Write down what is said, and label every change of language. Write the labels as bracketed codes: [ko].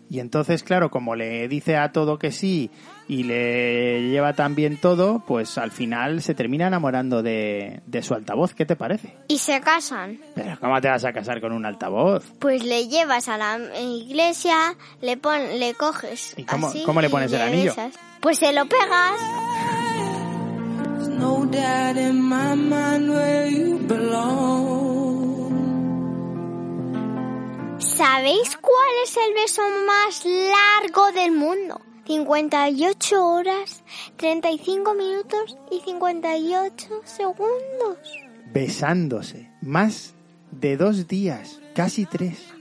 [es] Y entonces, claro, como le dice a todo que sí y le lleva también todo, pues al final se termina enamorando de su altavoz. ¿Qué te parece? Y se casan. ¿Pero cómo te vas a casar con un altavoz? Pues le llevas a la iglesia, le coges. ¿Y cómo, así, cómo le pones y el anillo? Pues se lo pegas. [en] No doubt in my mind where you belong. [es] ¿Sabéis cuál es el beso más largo del mundo? 58 horas, 35 minutos y 58 segundos. Besándose. Más de 2 días. Casi 3.